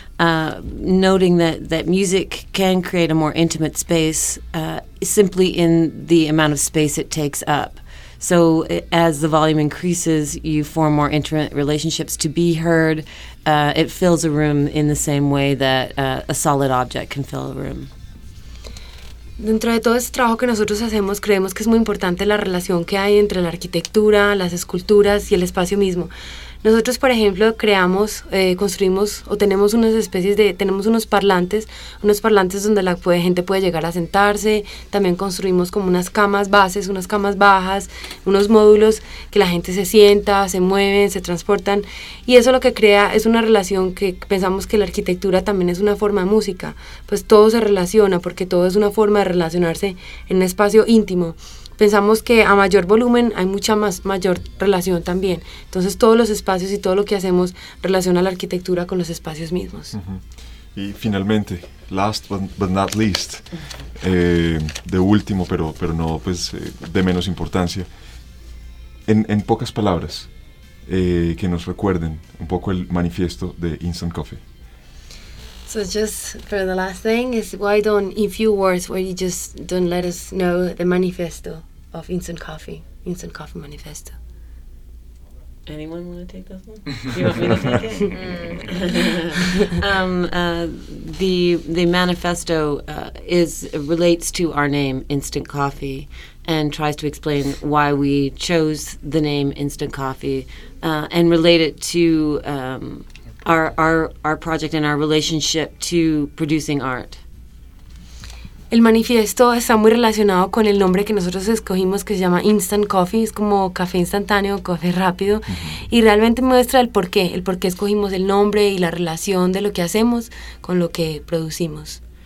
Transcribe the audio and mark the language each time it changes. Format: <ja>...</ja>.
<en>Noting that music can create a more intimate space simply in the amount of space it takes up. So as the volume increases, you form more intimate relationships to be heard. It fills a room in the same way that a solid object can fill a room.</en> <es>Dentro de todo ese trabajo que nosotros hacemos, creemos que es muy importante la relación que hay entre la arquitectura, las esculturas y el espacio mismo. Nosotros, por ejemplo, creamos, construimos o tenemos unas especies de, tenemos unos parlantes donde la gente puede llegar a sentarse. También construimos como unas camas bases, unas camas bajas, unos módulos que la gente se sienta, se mueven, se transportan. Y eso lo que crea es una relación que pensamos que la arquitectura también es una forma de música. Pues todo se relaciona porque todo es una forma de relacionarse en un espacio íntimo. pensamos que a mayor volumen hay mucha más mayor relación también. Entonces todos los espacios y todo lo que hacemos relaciona la arquitectura con los espacios mismos.</es> <en>Uh-huh.</en> <es>Y finalmente,</es> <en>last but not least, uh-huh.</en> <es>De último, pero no pues, de menos importancia, en pocas palabras, que nos recuerden un poco el manifiesto de Instant Coffee.</es> <en>So just for the last thing is why don't, in few words, why you just don't let us know the manifesto of Instant Coffee Manifesto. Anyone want to take this one? You want me to take it? The manifesto relates to our name, Instant Coffee, and tries to explain why we chose the name Instant Coffee and relate it to our project and our relationship to producing art.</en> <es>El manifiesto está muy relacionado con el nombre que nosotros escogimos, que se llama Instant Coffee, es como café instantáneo, café rápido, y realmente muestra el porqué escogimos el nombre y la relación de lo que hacemos con lo que producimos.</es>